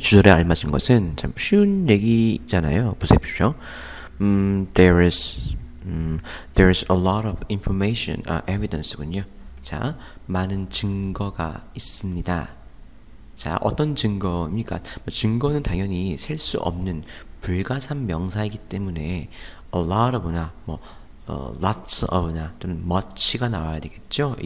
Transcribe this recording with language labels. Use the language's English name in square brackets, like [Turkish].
[Korean] 주절에 알맞은 것은 참 쉬운 얘기잖아요. 보십시오. [English] There is a lot of information, evidence군요. [Korean] 자, 많은 증거가 있습니다. 자, 어떤 증거입니까? 증거는 당연히 셀수 없는 불가산 명사이기 때문에 a lot of나 뭐 lots of나 좀 much가 나와야 되겠죠?